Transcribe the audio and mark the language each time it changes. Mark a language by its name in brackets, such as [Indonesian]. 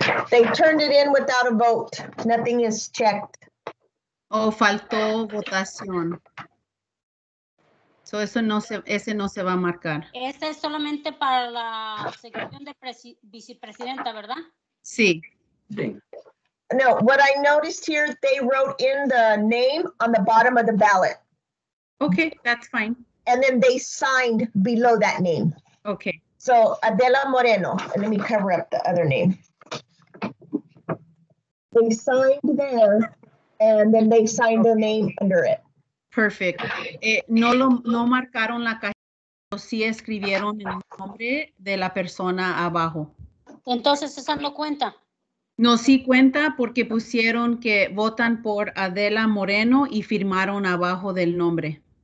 [English] They turned it in without a vote. Nothing is checked. [Spanish] Oh, faltó votación. So ese no se va a marcar. Este es solamente para la sección de vicepresidenta, ¿verdad? Sí. [English] Thing. No, what I noticed here, they wrote in the name on the bottom of the ballot. Okay, that's fine. And then they signed below that name. Okay. So Adela Moreno, let me cover up the other name. They signed there and then they signed their name under it. Perfect. [Spanish] No marcaron la cajita, sí escribieron el nombre de la persona abajo. Entonces, ¿esa no cuenta? No, sí cuenta porque pusieron que votan por Adela Moreno y firmaron abajo del nombre.